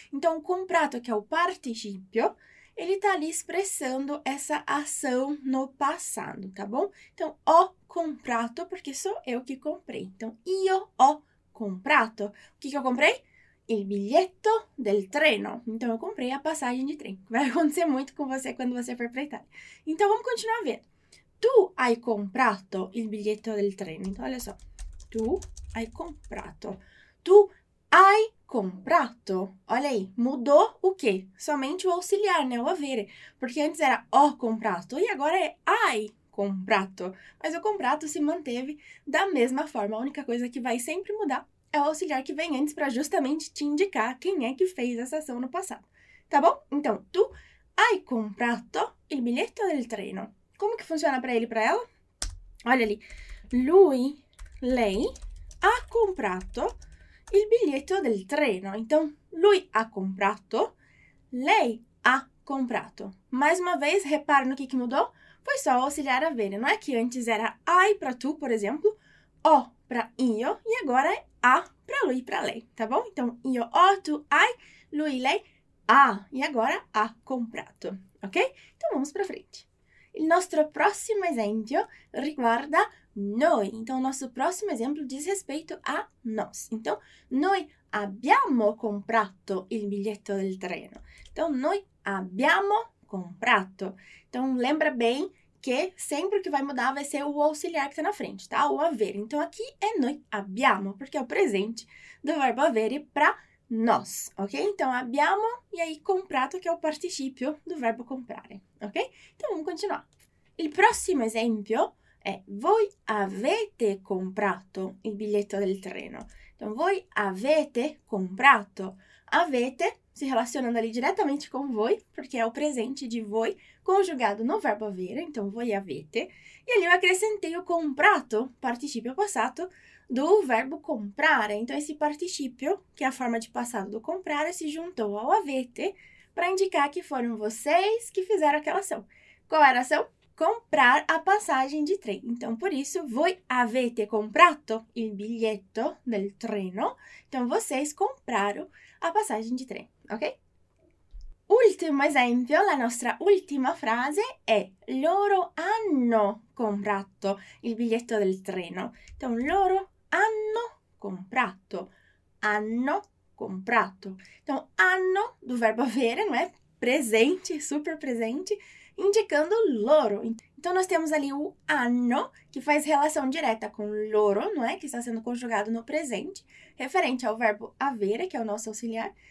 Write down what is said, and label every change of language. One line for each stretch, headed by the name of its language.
Portuguese: Então, o comprato, que é o participio, ele tá ali expressando essa ação no passado, tá bom? Então,
Italian: ho comprato,
Portuguese: porque sou eu que comprei. Então,
Italian: io ho comprato.
Portuguese: O que que eu comprei?
Italian: Il biglietto del treno.
Portuguese: Então, eu comprei a passagem de trem. Vai acontecer muito com você quando você for para Itália. Então, vamos continuar vendo.
Italian: Tu hai comprato il biglietto del treno.
Portuguese: Então, olha só.
Italian: Tu hai comprato. Tu hai comprato.
Portuguese: Olha aí. Mudou o quê? Somente o auxiliar, né? O avere. Porque antes era
Italian: ho comprato
Portuguese: e agora é
Italian: hai comprato.
Portuguese: Mas o comprato se manteve da mesma forma. A única coisa que vai sempre mudar é o auxiliar que vem antes para justamente te indicar quem é que fez essa ação no passado. Tá bom?
Italian: Então, tu hai comprato il biglietto del treno.
Portuguese: Como que funciona para ele e para ela? Olha ali.
Italian: Lui, lei, ha comprato il biglietto del treno. Então, lui ha comprato, lei ha comprato.
Portuguese: Mais uma vez, repara no que mudou? Foi só o auxiliar avere. Não é que antes era hai para tu, por exemplo, ho para io, e agora é a para lui e para lei, tá bom?
Italian: Então, io ho, tu hai, lui, lei, ha.
Portuguese: E agora,
Italian: ha comprato,
Portuguese: ok? Então, vamos para frente.
Italian: Il nostro prossimo esempio riguarda noi.
Portuguese: Então, o nosso próximo exemplo diz respeito a nós.
Italian: Então, noi abbiamo comprato il biglietto del treno. Então, noi abbiamo comprato.
Portuguese: Então, lembra bem que sempre o que vai mudar vai ser o auxiliar que está na frente, tá? O avere. Então, aqui é
Italian: noi abbiamo,
Portuguese: porque é o presente do verbo avere para nós, ok? Então, abbiamo e aí comprato, que é o participio do verbo comprare, ok? Então, vamos continuar.
Italian: Il prossimo esempio è voi avete comprato il biglietto del treno. Então, voi avete comprato.
Portuguese: Avete, se relacionando ali diretamente com voi, porque é o presente de voi conjugado no verbo avere, então
Italian: voi avete.
Portuguese: E ali eu acrescentei o comprato,
Italian: participio passato,
Portuguese: do verbo comprare. Então, esse participio, que é a forma de passado do comprare, se juntou ao avete para indicar que foram vocês que fizeram aquela ação. Qual era a ação? Comprar a passagem de trem.
Italian: Então, por isso, voi avete comprato il biglietto del treno.
Portuguese: Então, vocês compraram a passagem de trem, ok?
Italian: Ultimo esempio, la nostra ultima frase è loro hanno comprato il biglietto del treno.
Portuguese: Então,
Italian: loro hanno comprato. Hanno comprato.
Portuguese: Então, hanno do verbo haver, não é? Presente, super presente, indicando loro. Então, nós temos ali o hanno, que faz relação direta com loro, não é? Que está sendo conjugado no presente, referente ao verbo avere, que é o nosso auxiliar.